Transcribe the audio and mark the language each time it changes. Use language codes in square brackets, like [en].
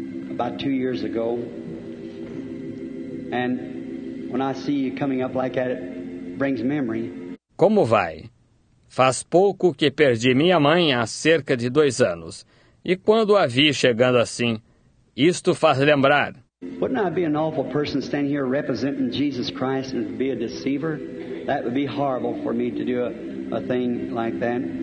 [en] About 2 years ago, and when I see you coming up like that, it brings memory. [pt] Como vai? Faz pouco que perdi minha mãe há cerca de 2 anos, e quando a vi chegando assim, isto faz lembrar. [en] Wouldn't I be an awful person standing here representing Jesus Christ and be a deceiver? That would be horrible for me to do a thing like that.